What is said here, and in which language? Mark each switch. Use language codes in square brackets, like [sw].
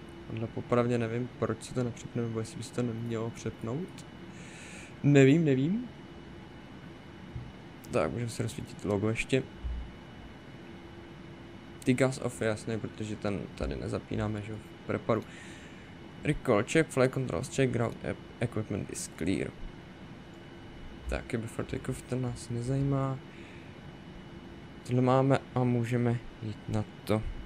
[cs] Ale popravdě nevím, proč se to nepřepne, nebo jestli by se to nemělo přepnout. Nevím. Tak, můžeme si rozsvítit logo ještě. Ty gas off je jasný, protože ten tady nezapínáme, že v preparu. [en] Recall check, fly controls check, ground equipment is clear. [cs] Tak, je [en] before takeoff, [cs] ten nás nezajímá. Tohle máme a můžeme jít na to.